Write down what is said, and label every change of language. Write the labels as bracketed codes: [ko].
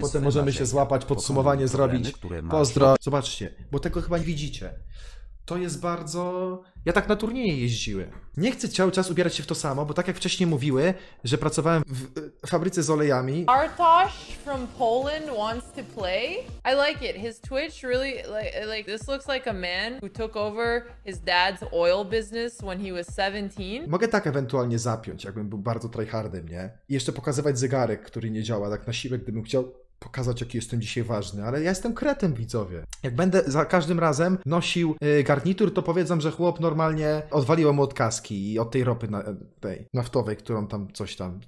[pl] Potem możemy się złapać, podsumowanie zrobić. Pozdro. Zobaczcie, bo tego chyba nie widzicie. To jest bardzo... Ja tak na turnieje jeździłem. Nie chcę cały czas ubierać się w to samo, bo tak jak wcześniej mówiły, że pracowałem w fabryce z olejami. [en] Bartosz from Poland wants to play. I like it. His Twitch really like this looks like a man who took over his dad's oil business when he was 17. [pl] Mogę tak ewentualnie zapiąć, jakbym był bardzo tryhardem, nie? I jeszcze pokazywać zegarek, który nie działa, tak na siłę, gdybym chciał pokazać, jaki jestem dzisiaj ważny, ale ja jestem kretem, widzowie. Jak będę za każdym razem nosił garnitur, to powiedzą, że chłop normalnie odwaliło mu od kaski i od tej ropy tej naftowej, którą tam coś tam.